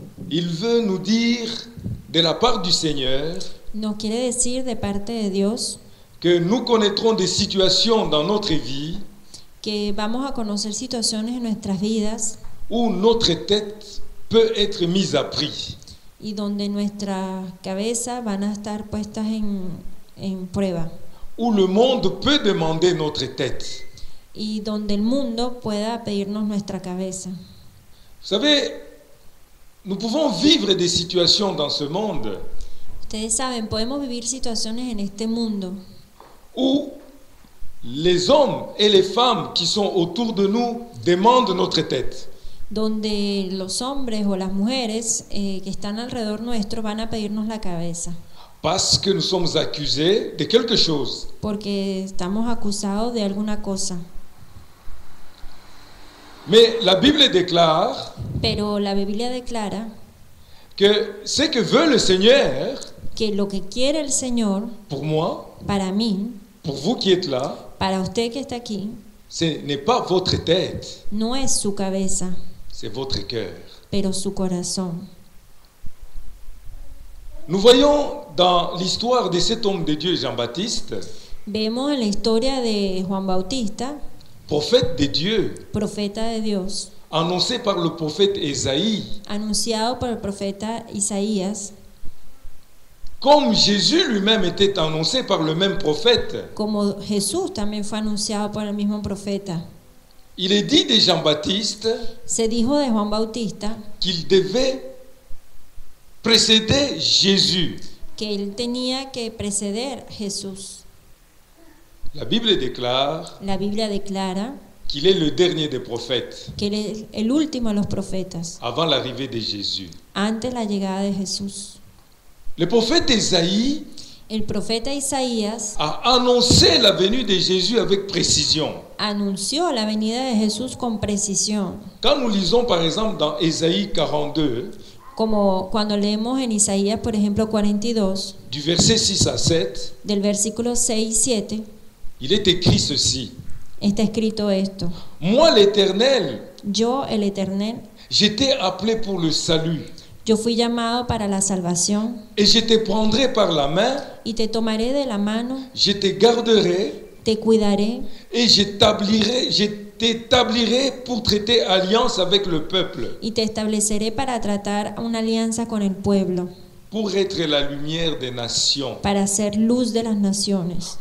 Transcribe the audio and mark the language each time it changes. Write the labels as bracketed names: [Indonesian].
[French] Il veut nous dire de la part du Seigneur, [Spanish] nos quiere decir de parte de Dios, [French] que nous connaîtrons des situations dans notre vie, [Spanish] que vamos a conocer situaciones en nuestras vidas, [French] où notre tête peut être mise à prix. [Spanish] Y donde nuestra cabeza van a estar puestas en prueba. [French] Où le monde peut demander notre tête. [Spanish] Y donde el mundo pueda pedirnos nuestra cabeza. [French] Vous savez, nous pouvons vivre des situations dans ce monde. [Spanish] Ustedes saben, podemos vivir situaciones en este mundo. [French] Où les hommes et les femmes qui sont autour de nous demandent notre tête. [Spanish] Donde los hombres o las mujeres que están alrededor nuestro van a pedirnos la cabeza. [French] Parce que nous sommes accusés de quelque chose. [Spanish] Porque estamos acusados de alguna cosa. [French] Mais la Bible déclare. [Spanish] Pero la Biblia declara. [French] Que ce que veut le Seigneur. [Spanish] Que lo que quiere el Señor. [French] Pour moi. [Spanish] Para mí. [French] Pour vous qui êtes là. [Spanish] Para usted que está aquí. [French] Ce n'est pas votre tête. [Spanish] No es su cabeza. [French] C'est votre cœur. [Spanish] Pero su corazón. [French] Nous voyons dans l'histoire de cet homme de Dieu, Jean-Baptiste. [Spanish] Vemos en la historia de Juan Bautista. [French] Prophète de Dieu. [Spanish] Profeta de Dios. [French] Annoncé par le prophète Isaïe. [Spanish] Anunciado por el profeta Isaías. [French] Comme Jésus lui-même était annoncé par le même prophète. [Spanish] Como Jesús también fue anunciado por el mismo profeta. [French] Il est dit de Jean-Baptiste. [Spanish] Se dijo de Juan Bautista. [French] Qu'il devait précéder Jésus. [Spanish] Que él tenía que preceder Jesús. [French] La Bible déclare. [Spanish] La Biblia declara. [French] Qu'il est le dernier des prophètes. [Spanish] Que él es el último de los profetas. [French] Avant l'arrivée de Jésus. [Spanish] Antes la llegada de Jesús. [French] Le prophète Isaïe. [Spanish] El profeta Isaías [French] a annoncé la venue de Jésus avec précision. [Spanish] Anunció la venida de Jesús con precisión. [French] Quand nous lisons par exemple dans Isaïe 42, [Spanish] como cuando leemos en Isaías por ejemplo 42, [French] du verset 6 à 7, [Spanish] del versículo 6 y 7, [French] il est écrit ceci. [Spanish] Está escrito esto. [French] Moi l'Éternel, [Spanish] yo el Eternel, [French] j'étais appelé pour le salut. [Spanish] Yo fui llamado para la salvación. [French] Et je te prendrai par la main. [Spanish] Y te tomaré de la mano. [French] Je te garderai. [Spanish] Te cuidaré. [French] Et je t'établirai pour traiter alliance avec le peuple. [Spanish] Y te estableceré para tratar una alianza con el pueblo. [French] Pour être la lumière des nations. [Spanish] Para ser luz de las naciones.